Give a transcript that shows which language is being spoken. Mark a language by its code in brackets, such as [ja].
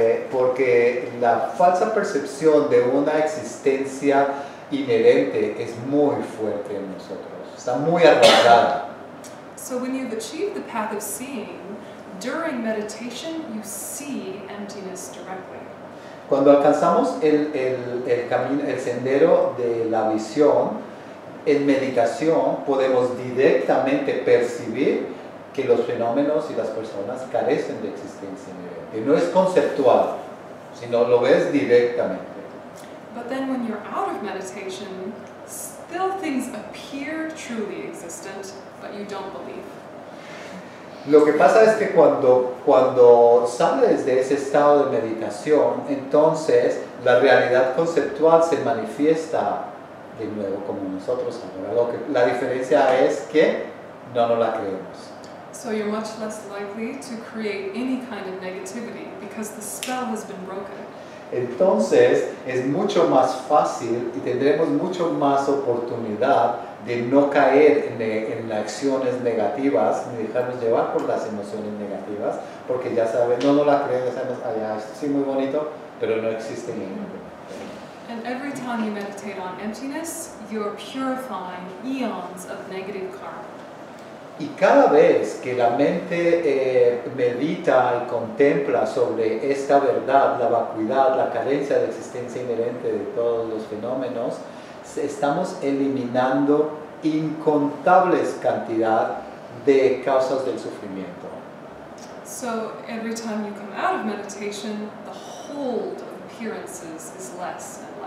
[es] Porque la falsa percepción de una existencia inherente es muy fuerte en nosotros. Está muy arraigada. [en] So when you've achieved the path of seeing, during meditation you see emptiness directly. [es] Cuando alcanzamos el camino, el sendero de la visión, en meditación podemos directamente percibir que los fenómenos y las personas carecen de existencia inherente. No es conceptual, sino lo ves directamente. [en] But then when you're out of meditation, still things appear truly existent, but you don't believe. [es] Lo que pasa es que cuando sales de ese estado de meditación, entonces la realidad conceptual se manifiesta de nuevo, como nosotros ahora. La diferencia es que no nos la creemos. [en] So you're much less likely to create any kind of negativity because the spell has been broken. [es] entonces es mucho más fácil y tendremos mucho más oportunidad de no caer en acciones negativas, ni dejarnos llevar por las emociones negativas, porque ya sabes, no la crees, ya sabes, allá sí, muy bonito, pero no existe ningún problema. [en] And every time you meditate on emptiness, you're purifying eons of negative karma. [es] Y cada vez que la mente medita y contempla sobre esta verdad, la vacuidad, la carencia de existencia inherente de todos los fenómenos, estamos eliminando incontables cantidad de causas del sufrimiento. [en] So every time you come out of meditation, the hold of appearances is less.